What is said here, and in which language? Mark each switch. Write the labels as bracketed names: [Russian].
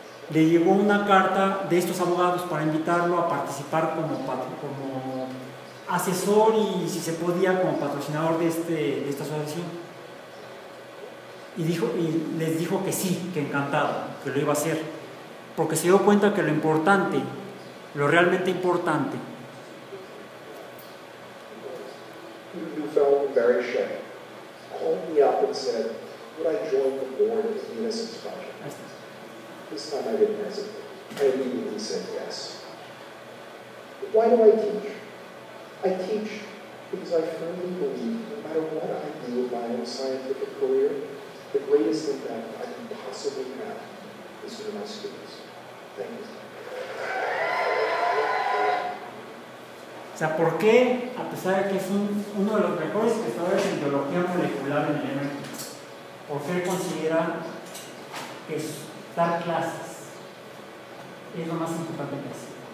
[Spanish] Le llegó una carta de estos abogados para invitarlo a participar como asesor y si se podía como patrocinador de esta asociación. Y les dijo que sí, que encantado, que lo iba a hacer, porque se dio cuenta que lo importante, lo realmente importante, [English] felt very ashamed, called me up and said, would I join the board of the Innocence Project? This time I didn't hesitate. I immediately said yes. But why do I teach? I teach because I firmly believe no matter what I do in my own scientific career, the greatest impact I can possibly have is for my students. Thank you. [Spanish] O sea, ¿por qué, a pesar de que es uno de los mejores pensadores en biología molecular en el MIT, por qué considera que dar clases es lo más importante que hace?